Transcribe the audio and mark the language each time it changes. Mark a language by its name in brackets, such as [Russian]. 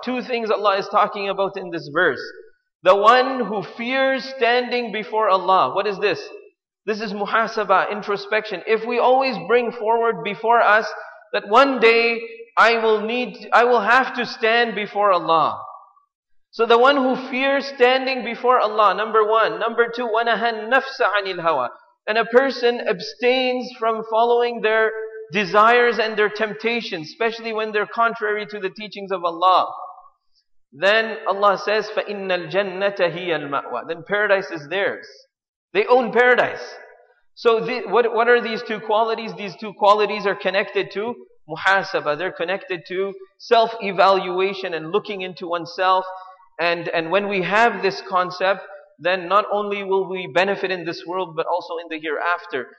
[English] Two things Allah is talking about in this verse. The one who fears standing before Allah. What is this? This is muhasaba, introspection. If we always bring forward before us that one day I will have to stand before Allah. So the one who fears standing before Allah, number one. Number two, [Arabic] وَنَهَا النَّفْسَ عَنِ الْهَوَى. [English] And a person abstains from following their desires and their temptations, especially when they're contrary to the teachings of Allah. Then Allah says, [Arabic] فَإِنَّ الْجَنَّةَ هِيَ الْمَأْوَى. [English] Then paradise is theirs. They own paradise. So what are these two qualities? These two qualities are connected to muhasaba. They're connected to self-evaluation and looking into oneself. And when we have this concept, then not only will we benefit in this world, but also in the hereafter.